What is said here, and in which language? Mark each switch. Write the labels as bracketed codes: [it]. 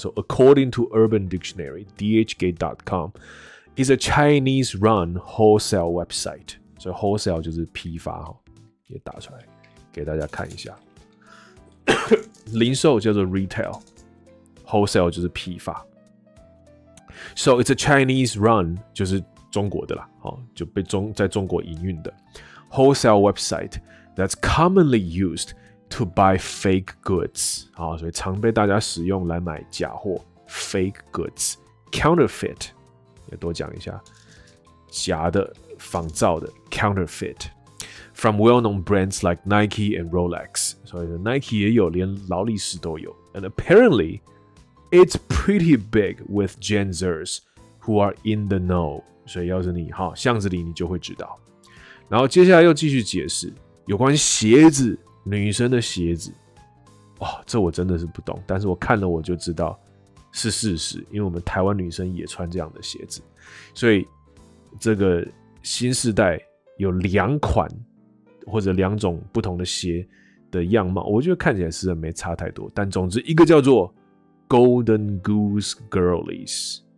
[zh] 说 [en] ，According to Urban Dictionary， DHgate.com is a Chinese-run wholesale website。 [zh] 所以 wholesale 就是批发哈，也打出来给大家看一下。零售叫做 retail， wholesale 就是批发。 [en] So it's a Chinese-run， [zh] 就是。中国的啦，就被在中国营运的 [en] wholesale website that's commonly used to buy fake goods， [zh] 所以常被大家使用来买假货 [en] fake goods counterfeit， [zh] 也多讲一下假的仿造的 [en] counterfeit from well-known brands like Nike and Rolex， [zh] 所以 Nike 也有，连劳力士都有。 [en] And apparently it's pretty big with Gen Zers who are in the know。 [zh] 所以要是你好巷子里你就会知道。然后接下来又继续解释有关鞋子，女生的鞋子。哇，这我真的是不懂，但是我看了我就知道是事实，因为我们台湾女生也穿这样的鞋子。所以这个新世代有两款或者两种不同的鞋的样貌，我觉得看起来是没差太多，但总之一个叫做 Golden Goose Girlies。